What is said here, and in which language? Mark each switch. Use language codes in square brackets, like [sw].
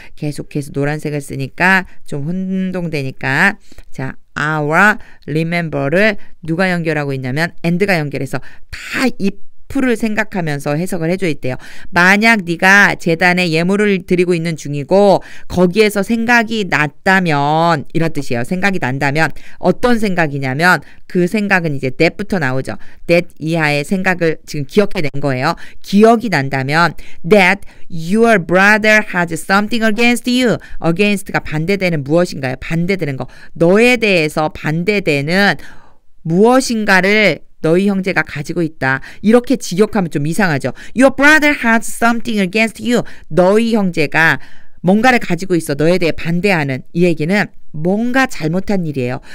[ko] 계속해서 노란색을 쓰니까 좀 혼동되니까, 자, are와 remember를 누가 연결하고 있냐면 and가 연결해서 다 if를 생각하면서 해석을 해줘야 돼요. 만약 네가 제단에 예물을 드리고 있는 중이고 거기에서 생각이 났다면, 이런 뜻이에요. 생각이 난다면 어떤 생각이냐면, 그 생각은 이제 that부터 나오죠. that 이하의 생각을 지금 기억해 낸 거예요. 기억이 난다면 [en] that your brother has something against you. [ko] against가 반대되는 무엇인가요? 반대되는 거. 너에 대해서 반대되는 무엇인가를 너희 형제가 가지고 있다. 이렇게 직역하면 좀 이상하죠. [en] Your brother has something against you. [ko] 너희 형제가 뭔가를 가지고 있어. 너에 대해 반대하는 이 얘기는 뭔가 잘못한 일이에요.